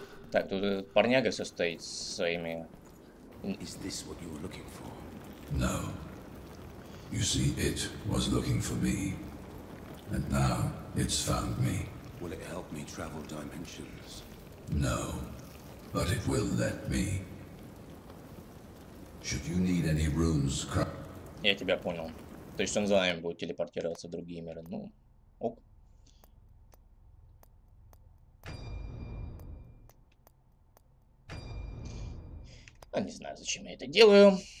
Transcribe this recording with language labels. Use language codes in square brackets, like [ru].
[ru] Так, тут этот парняга все стоит со своими. [en] Is this what you were looking for? No. You see, it was looking for me. And now it's found me. Will it help me travel dimensions? No. But it will let me. Should you need any runes, [ru] я тебя понял. То есть он за нами будет телепортироваться в другие миры. Ну, ок. А не знаю, зачем я это делаю.